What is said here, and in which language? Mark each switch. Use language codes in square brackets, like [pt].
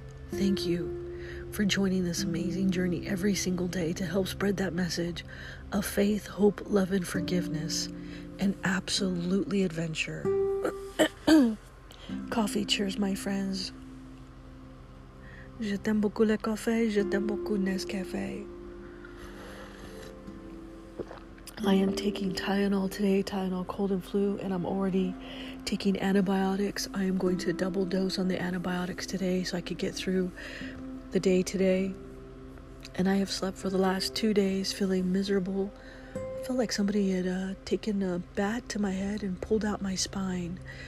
[en] Thank you for joining this amazing journey every single day to help spread that message of faith, hope, love, and forgiveness, and absolutely adventure. Coffee, cheers, my friends. [fr] Je t'aime beaucoup le café, je t'aime beaucoup Nescafé. [en] I am taking Tylenol today, Tylenol cold and flu, and I'm already taking antibiotics. I am going to double dose on the antibiotics today so I could get through the day today. And I have slept for the last 2 days feeling miserable. I felt like somebody had taken a bat to my head and pulled out my spine.